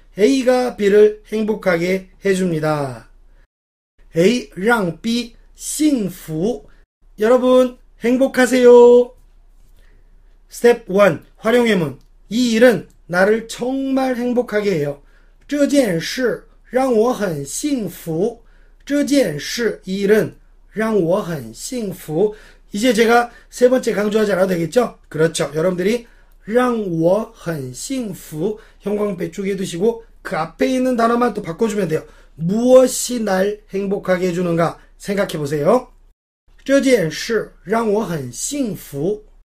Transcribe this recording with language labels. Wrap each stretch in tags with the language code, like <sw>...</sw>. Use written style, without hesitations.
<ko>A가 B를 행복하게 해줍니다.</ko> <zh>A. 让 B. 幸福.</zh> <ko>여러분, 행복하세요. 스텝 1. 활용해문. 이 일은 나를 정말 행복하게 해요.</ko> <zh>这件事让我很幸福. 这件事,</zh> <ko>이 일은</ko> <zh>让我很幸福.</zh> <ko>이제 제가 세 번째 강조하지 않아도 되겠죠? 그렇죠. 여러분들이</ko> <zh>让我很幸福</zh> <ko>형광 배축해 두시고 그 앞에 있는 단어만 또 바꿔주면 돼요. 무엇이 날 행복하게 해주는가 생각해 보세요.</ko> <zh>这件事让我很幸福.</zh>